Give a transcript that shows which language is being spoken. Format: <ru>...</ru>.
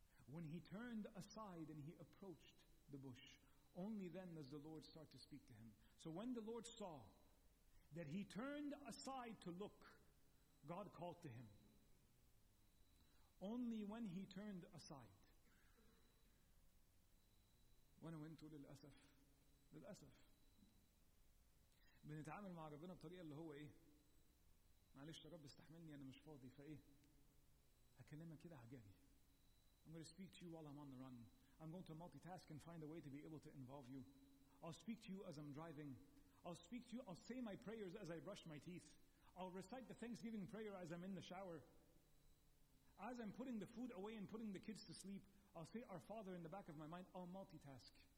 <en>When he turned aside and he approached the bush. Only then does the Lord start to speak to him. So when the Lord saw that he turned aside to look, God called to him. Only when he turned aside.</en> <ar>وانا وانتو للأسف للأسف بنتعامل مع ربنا بطريقة اللي هو ايه معلش يا رب استحملني انا مش فاضي فايه هكلمك كده عجالي.</ar> <en>I'm going to speak to you while I'm on the run. I'm going to multitask and find a way to be able to involve you. I'll speak to you as I'm driving. I'll speak to you. I'll say my prayers as I brush my teeth. I'll recite the Thanksgiving prayer as I'm in the shower. As I'm putting the food away and putting the kids to sleep, I'll say our Father in the back of my mind. I'll multitask.</en>